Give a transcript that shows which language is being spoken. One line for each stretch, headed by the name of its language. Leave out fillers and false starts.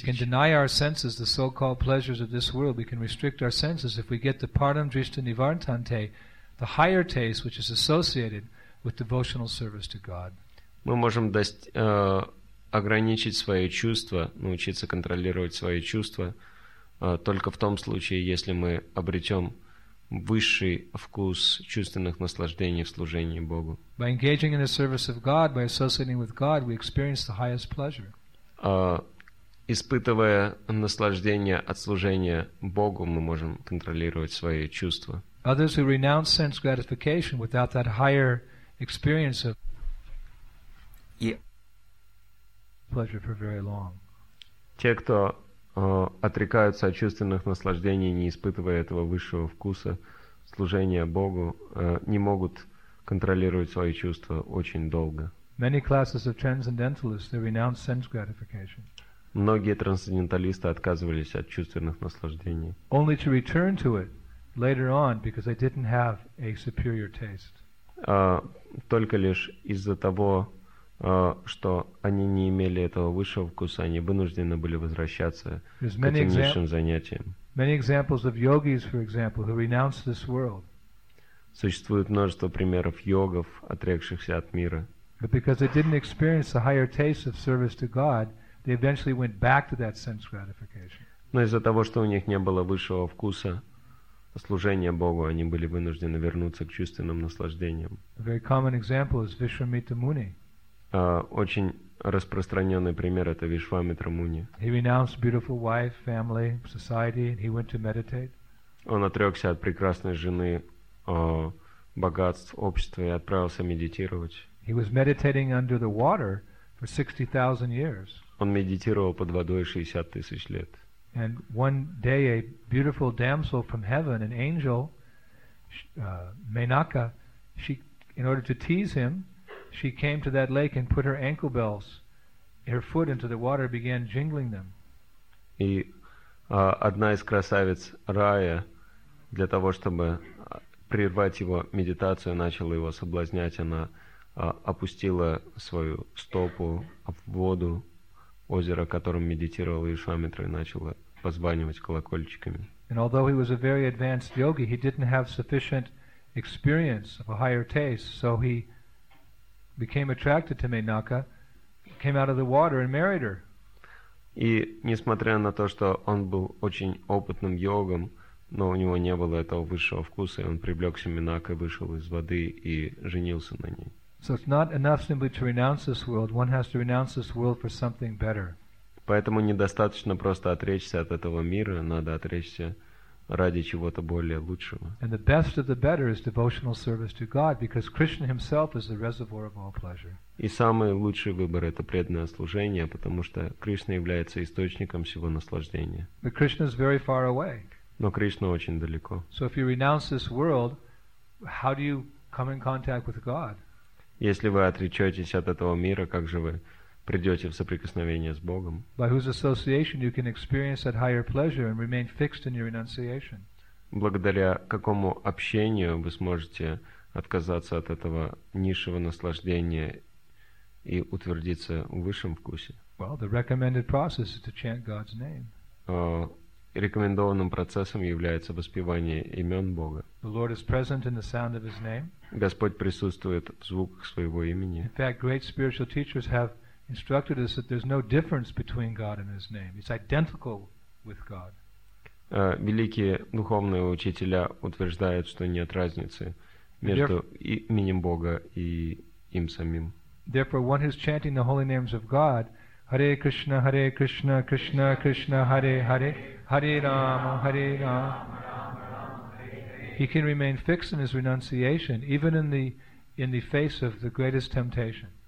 English: We can deny our senses, the so-called pleasures of this world. We can restrict our senses if we get the
Sanskrit: Param Drishta Nivartante,
English: the higher taste, which is associated with devotional service to God.
Russian: Мы можем ограничить свои чувства, научиться контролировать свои чувства только в том случае, если мы обретем высший вкус чувственных наслаждений в служении Богу.
English: By engaging in the service of God, by associating with God, we experience the highest pleasure.
Russian: Испытывая наслаждение от служения Богу, мы можем контролировать свои чувства.
English: Others who renounce sense gratification without that higher experience of pleasure for very long.
Russian: Те, кто отрекаются от чувственных наслаждений, не испытывая этого высшего вкуса служения Богу, не могут контролировать свои чувства очень долго.
English: Many classes of transcendentalists, they renounce sense gratification.
Russian: Многие трансценденталисты отказывались от чувственных наслаждений.
English: Only to return to it later on because they didn't have a superior taste.
Russian: Только лишь из-за того, что они не имели этого высшего вкуса, они вынуждены были возвращаться к этим низшим занятиям.
English: Many examples of yogis, for example, who renounce this world.
Russian: Существует множество примеров йогов, отрекшихся от мира.
English: But because they didn't experience the higher taste of service to God, they eventually went back to that sense gratification.
Russian: Но из-за того, что у них не было высшего вкуса служения Богу, они были вынуждены вернуться к чувственным наслаждениям.
English: A very common example is Vishwamitra Muni.
Russian: Очень распространенный пример это Вишвамитра Муни.
English: He renounced beautiful wife, family, society, and he went to meditate.
Russian: Он отрекся от прекрасной жены, богатств, общества и отправился медитировать.
English: He was meditating under the water for 60,000 years.
Russian: Он медитировал под водой 60 тысяч лет.
English: And one day a beautiful damsel from heaven, an angel, Menaka, she, in order to tease him, she came to that lake and put her ankle bells, her foot into the water, began jingling them.
Russian: И одна из красавиц рая для того, чтобы прервать его медитацию, начала его соблазнять. Она опустила свою стопу в воду озера, которым медитировал Вишвамитра, и начала позванивать колокольчиками.
English: And although he was a very advanced yogi, he didn't have sufficient experience of a higher taste, so he became attracted to Menaka, came out of the water and married her.
Russian: И несмотря на то, что он был очень опытным йогом, но у него не было этого высшего вкуса, и он привлекся Менакой, вышел из воды и женился на ней.
English: So it's not enough simply to renounce this world. One has to renounce this world for something better.
Russian: Поэтому недостаточно просто отречься от этого мира, надо отречься ради чего-то более лучшего.
English: And the best of the better is devotional service to God, because Krishna himself is the reservoir of all pleasure.
Russian: И самый лучший выбор это преданное служение, потому что Кришна является источником всего наслаждения.
English: But Krishna is very far away.
Russian: Но Кришна очень далеко.
English: So if you renounce this world, how do you come in contact with God?
Russian: Если вы отречетесь от этого мира, как же вы придете в соприкосновение с Богом?
English: By whose association you can experience that higher pleasure and remain fixed in your renunciation?
Russian: Благодаря какому общению вы сможете отказаться от этого низшего наслаждения и утвердиться в высшем вкусе?
English: Well, the recommended process is to chant God's name.
Russian: Рекомендованным процессом является воспевание имен Бога.
English: The Lord is present in the sound of His name.
Russian: Господь присутствует в звуках Своего имени.
English: In fact, great spiritual teachers have instructed us that there's no difference between God and His name. It's identical with God.
Russian: Великие духовные учителя утверждают, что нет разницы между именем Бога и им самим.
English: Therefore, one who's chanting the holy names of God, Hare Krishna, Hare Krishna, Krishna Krishna, Hare Hare, Hare Rama, Hare Rama, he can remain fixed in his renunciation, even in the face of the greatest temptation.